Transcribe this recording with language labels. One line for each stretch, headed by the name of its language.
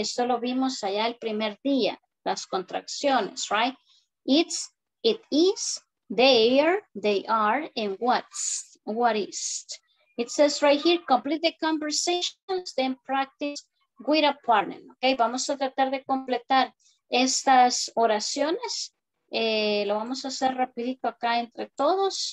Spanish: Esto lo vimos allá el primer día, las contracciones, right?
English: It's, it is, there, they are, and what's, what is. It says right here, complete the conversations, then practice with a partner, okay?
Spanish: Vamos a tratar de completar estas oraciones. Lo vamos a hacer rapidito acá entre todos.